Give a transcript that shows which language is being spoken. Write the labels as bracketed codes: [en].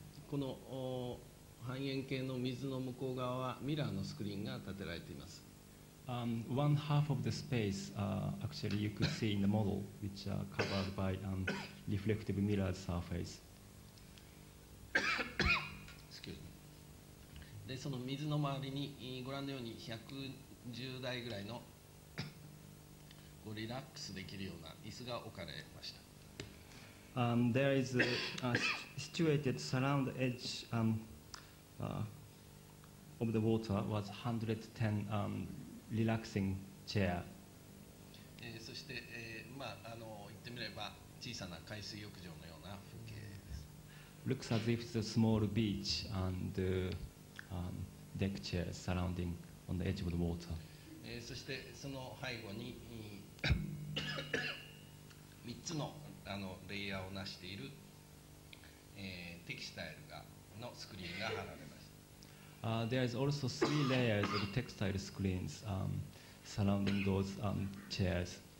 [ja] この半円形の水の向こう側はミラーのスクリーンが立てられています。 [en] One half of the space actually you could see in the model which are covered by reflective mirrored surface. Excuse me. [ja] でその水の周りにご覧のように110台ぐらいのこうリラックスできるような椅子が置かれました。 [en] There is a situated surround edge of the water was 110 relaxing chair. [ja] そして、まあ、言ってみれば小さな海水浴場のような風景です。 [en] Looks as if it's a small beach and deck chair surrounding on the edge of the water. [ja] そしてその背後に3つのレイヤーをなしている、テキスタイルがのスクリーンが貼られました。 [en] There is also three layers of textile screens surrounding those chairs.